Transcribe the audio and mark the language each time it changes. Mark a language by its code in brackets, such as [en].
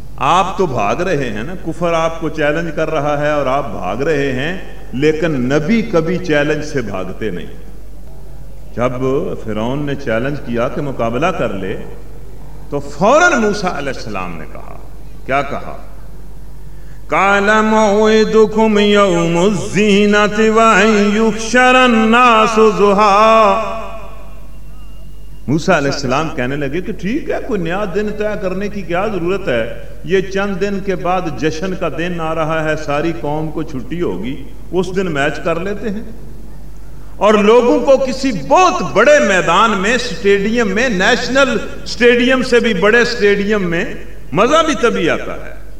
[ur] آپ تو بھاگ رہے ہیں نا, کفر آپ کو چیلنج کر رہا ہے اور آپ بھاگ رہے ہیں, لیکن نبی کبھی چیلنج سے بھاگتے نہیں. جب فرعون نے چیلنج کیا کہ مقابلہ کر لے, تو فوراً موسیٰ علیہ السلام نے کہا, کیا کہا؟ [ar] قال موعدكم يوم الزينة وأن يحشر الناس ضحى. [ur] موسیٰ علیہ السلام کہنے لگے کہ ٹھیک ہے, کوئی نیا دن طے کرنے کی کیا ضرورت ہے, یہ چند دن کے بعد جشن کا دن آ رہا ہے, ساری قوم کو چھٹی ہوگی, اس دن میچ کر لیتے ہیں, اور لوگوں کو کسی بہت بڑے میدان میں, سٹیڈیم میں, نیشنل سٹیڈیم سے بھی بڑے سٹیڈیم میں مزہ بھی تبھی آتا ہے.